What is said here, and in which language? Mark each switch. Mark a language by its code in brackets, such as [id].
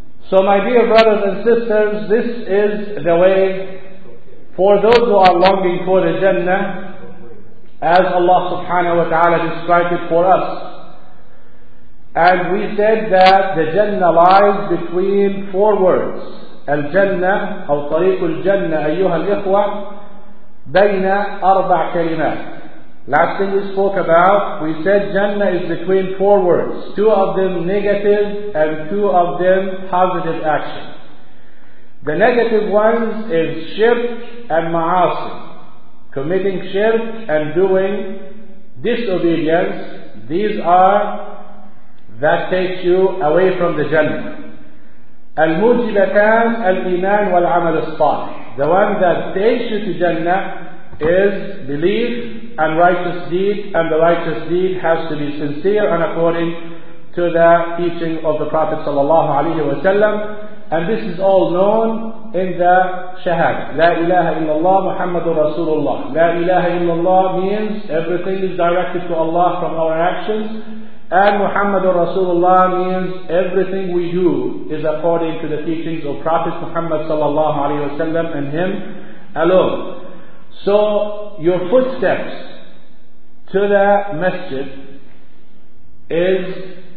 [en] So my dear brothers and sisters, this is the way for those who are longing for the Jannah, as Allah subhanahu wa ta'ala described it for us. And we said that the Jannah lies between four words. [ar] الجنة أو طريق الجنة أيها الإخوة بين أربع كلمات. [en] Last thing we spoke about, we said Jannah is between four words, two of them negative and two of them positive action. The negative ones is shirk and ma'asi, committing shirk and doing disobedience. These are that takes you away from the Jannah. [ar] الموجبتان الإيمان والعمل الصالح. [en] The one that takes you to Jannah is belief and righteous deed, and the righteous deed has to be sincere and according to the teaching of the Prophet sallallahu alaihi wasallam. And this is all known in the Shahada. [ar] لا إله إلا الله محمد رسول الله. لا إله إلا الله [en] means everything is directed to Allah from our actions. And Muhammadur Rasulullah means everything we do is according to the teachings of Prophet Muhammad sallallahu alaihi wasallam and him alone. So your footsteps to the masjid is